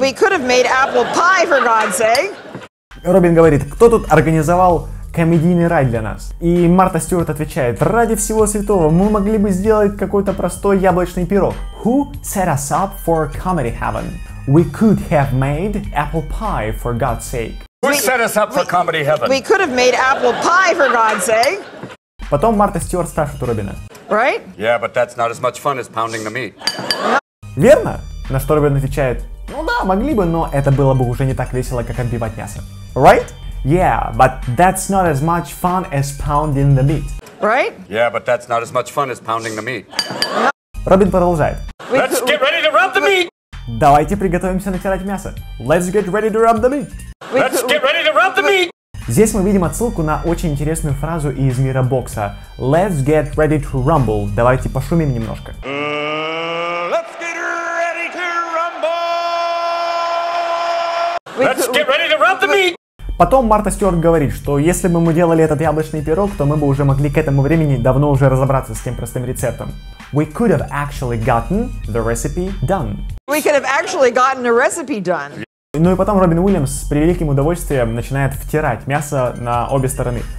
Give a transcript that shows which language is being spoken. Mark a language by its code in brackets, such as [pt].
[en] We could have made apple pie, for God's sake. [ru] Робин говорит, кто тут организовал комедийный рай для нас? И Марта Стюарт отвечает, ради всего святого, мы могли бы сделать какой-то простой яблочный пирог. [en] Who set us up for comedy heaven? We could have made apple pie, for God's sake. Who set us up for comedy heaven? We could have made apple pie, for God's sake. [ru] Потом Марта Стюарт спрашивает у Робина. [en] Right? Yeah, but that's not as much fun as pounding the meat. [ru] Верно? На что Робин отвечает, ну да, могли бы, но это было бы уже не так весело, как отбивать мясо. [en] Right? Yeah, but that's not as much fun as pounding the meat. Right? Yeah, but that's not as much fun as pounding the meat. [ru] Робин продолжает. [en] Let's get ready to rub the meat! [ru] Давайте приготовимся натирать мясо. [en] Let's get ready to rub the meat! Let's get ready to rub the meat! [ru] Здесь мы видим отсылку на очень интересную фразу из мира бокса. [en] Let's get ready to rumble. [ru] Давайте пошумим немножко. [en] Let's get ready to rumble! Let's get ready to rub the meat! [ru] Потом Марта Стюарт говорит, что если бы мы делали этот яблочный пирог, то мы бы уже могли к этому времени давно уже разобраться с тем простым рецептом. [en] We could have actually gotten the recipe done. We could have actually gotten a recipe done. [ru] Ну и потом Робин Уильямс при великим удовольствием начинает втирать мясо на обе стороны.